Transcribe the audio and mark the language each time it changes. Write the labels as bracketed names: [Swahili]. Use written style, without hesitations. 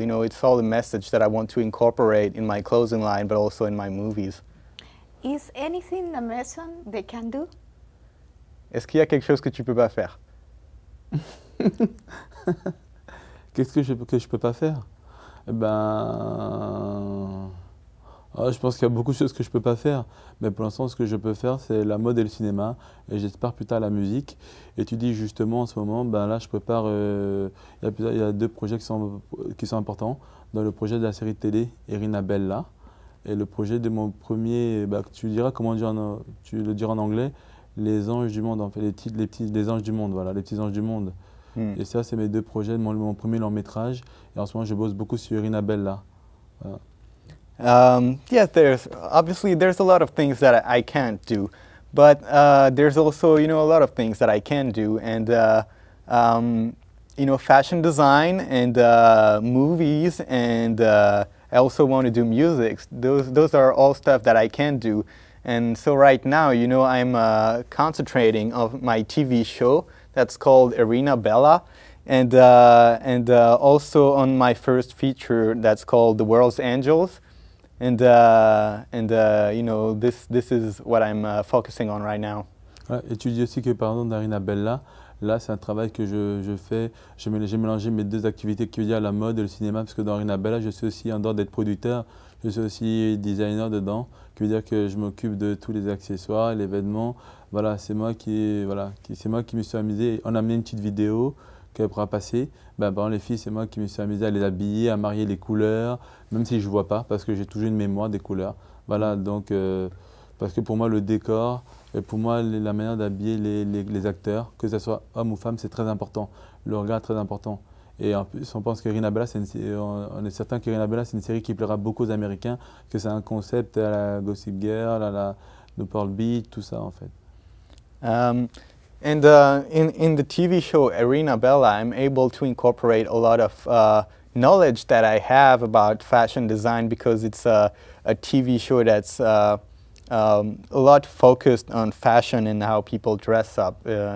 [English] You know, it's all a message that I want to incorporate in my clothing line, but also in my movies. Is anything a Mason they can do? [French] Est-ce qu'il y a quelque chose que tu peux pas faire? Qu'est-ce que je peux pas faire? Eh ben. Oh, je pense qu'il y a beaucoup de choses que je ne peux pas faire, mais pour l'instant, ce que je peux faire, c'est la mode et le cinéma, et j'espère plus tard la musique. Et tu dis justement en ce moment, ben là, je prépare. Il y a deux projets qui sont importants, dans le projet de la série télé Eryna Bella, et le projet de mon premier. Ben, tu diras comment dire, tu le diras en anglais, les anges du monde, en fait, les anges du monde, voilà, les petits anges du monde. Mm. Et ça, c'est mes deux projets, mon premier long métrage, et en ce moment, je bosse beaucoup sur Eryna Bella. Voilà. [English] Yeah, there's obviously there's a lot of things that I can't do, but there's also, you know, a lot of things that I can do, and you know, fashion design and movies, and I also want to do music. Those are all stuff that I can do, and so right now, you know, I'm concentrating on my TV show that's called Eryna Bella. And also on my first feature that's called The World's Angels, and you know, this is what I'm focusing on right now. [French] Et tu dis aussi que pardon d'Eryna Bella, là c'est un travail que je fais. J'ai mélangé mes deux activités qui veut dire la mode et le cinéma, parce que dans Eryna Bella, je suis aussi en dehors d'être producteur, je suis aussi designer dedans, qui veut dire que je m'occupe de tous les accessoires, les vêtements. Voilà, c'est moi qui me suis amusé. On a mis une petite vidéo. Qu'elle pourra passer, ben, les filles, c'est moi qui me suis amusé à les habiller, à marier les couleurs, même si je ne vois pas, parce que j'ai toujours une mémoire des couleurs. Voilà, donc, parce que pour moi, le décor, et pour moi, la manière d'habiller les acteurs, que ce soit homme ou femme, c'est très important. Le regard est très important. Et en plus, on pense que Eryna Bella, on est certain que Eryna Bella, c'est une série qui plaira beaucoup aux Américains, que c'est un concept à la Gossip Girl, à la Newport Beach, tout ça, en fait. [English] And in the TV show Eryna Bella, I'm able to incorporate a lot of knowledge that I have about fashion design, because it's a TV show that's a lot focused on fashion and how people dress up.